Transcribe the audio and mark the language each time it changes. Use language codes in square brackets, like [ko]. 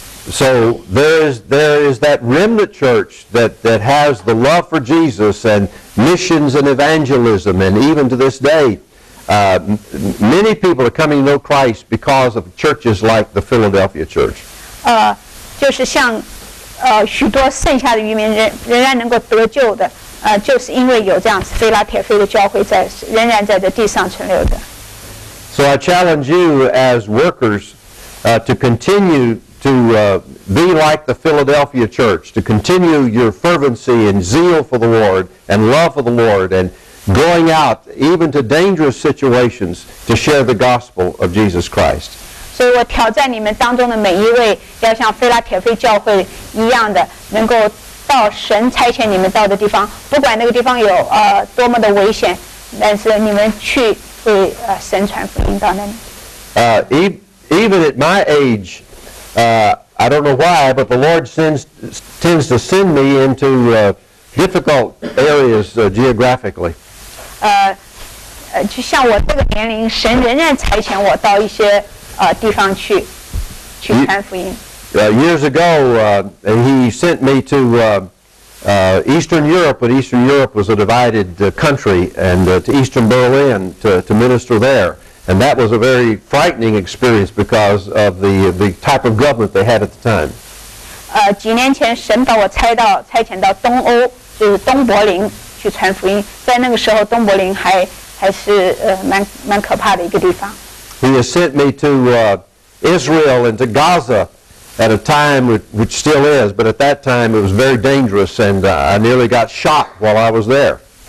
[en] So there is that remnant church that has the love for Jesus and missions and evangelism, and even to this day, many people are coming to know Christ because of churches like the Philadelphia Church. [zh] 就是像许多剩下的渔民仍然能够得救的，就是因为有这样子腓拉铁菲的教会仍然在这地上存留的。 [en] So I challenge you as workers to continue. To be like the Philadelphia Church, to continue your fervency and zeal for the Lord and love for the Lord and going out even to dangerous situations to share the gospel of Jesus Christ. So I challenge [zh] 你们当中的每一位，要像腓拉铁菲教会一样的，能够到神差遣你们到的地方，不管那个地方有多么的危险，但是你们去为神传福音到那里。 [en] Even at my age. I don't know why, but the Lord tends to send me into difficult areas geographically. [zh] 就像我这个年龄，神仍然差遣我到一些地方去，去传福音。 [en] Years ago, he sent me to Eastern Europe, but Eastern Europe was a divided country, and to Eastern Berlin to minister there. And that was a very frightening experience because of the type of government they had at the time. [zh] 几年前神把我差遣到东欧，就是东柏林去传福音。在那个时候，东柏林还是蛮可怕的一个地方。 [en] He has sent me to Israel and to Gaza at a time which still is, but at that time it was very dangerous, and I nearly got shot while I was there.